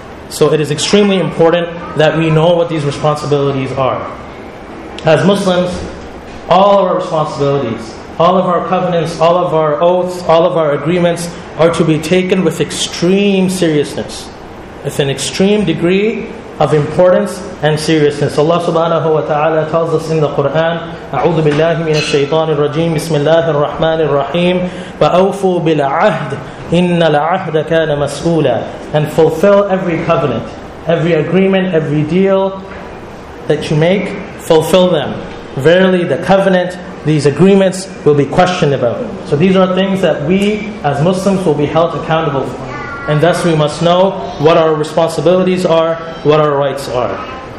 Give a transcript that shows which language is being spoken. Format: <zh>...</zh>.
<en>So it is extremely important that we know what these responsibilities are. As Muslims, all of our responsibilities, all of our covenants, all of our oaths, all of our agreements are to be taken with extreme seriousness, with an extreme degree of importance and seriousness. Allah subhanahu wa ta'ala tells us in the Quran,</en> <ar>أعوذ بالله من الشيطان الرجيم بسم الله الرحمن الرحيم وأوفوا بالعهد إِنَّ الْعَهْدَ كَانَ مَسْئُولًا.</ar> <en>And fulfill every covenant, every agreement, every deal that you make, fulfill them. Verily the covenant, these agreements will be questioned about. So these are things that we as Muslims will be held accountable for. And thus we must know what our responsibilities are, what our rights are.</en>